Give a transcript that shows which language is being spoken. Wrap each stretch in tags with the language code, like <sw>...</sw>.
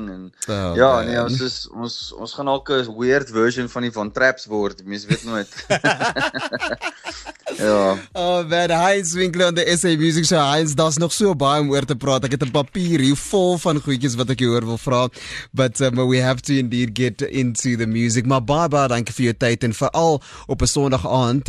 <af>Ons gaan ook 'n weird version van die Von Trapps word. Mense weet nooit. Ja.</af> <en>Oh man, Heinz Winkler on the SA Music Show.</en> <af>Heinz, daar's nog so baie om oor te praat. Ek het 'n papier hier vol van goedjies wat ek jou oor wil vra.</af> <en>But we have to indeed get into the music.</en> <af>Maar bye bye, dankie vir jou tyd en veral op 'n Sondag aand.</af>